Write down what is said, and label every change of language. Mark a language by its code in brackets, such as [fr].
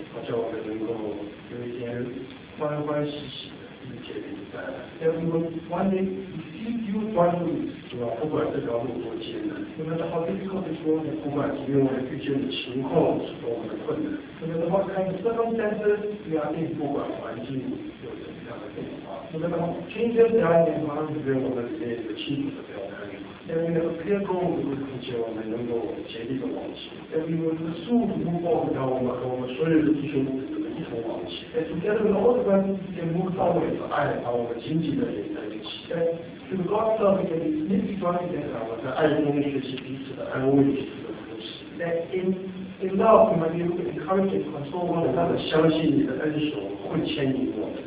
[zh] 他叫我们能够有一天欢欢喜喜的迎接你带来。 [en] That we will one day receive you joyfully， [zh] 是吧？不管这条路多艰难，不管 [en] how difficult it will be， [zh] 不管今天我们遇见的情况是多么的困难，不管 [en] what kind of circumstances we are in， [zh] 不管环境有什么样的变化，不管 [en] changes we are in， [zh] 我们这边我们里面有个清楚的表达。 [en] That we have a clear goal， [zh] 而且我们能够竭力的往前。 [en] That we will pursue to move on， [zh] 让我们和我们所有的弟兄姊妹一同往前。 [en] That together with all the brothers can move forward， [zh] 把爱把我们紧紧的连在一起。 [en] That through God's love we can be knitted together， [zh] 让我们在爱中学习彼此的安慰彼此的扶持。 [en] That in love we might be able to encourage and console one another， [zh] 相信你的恩手会牵引我们。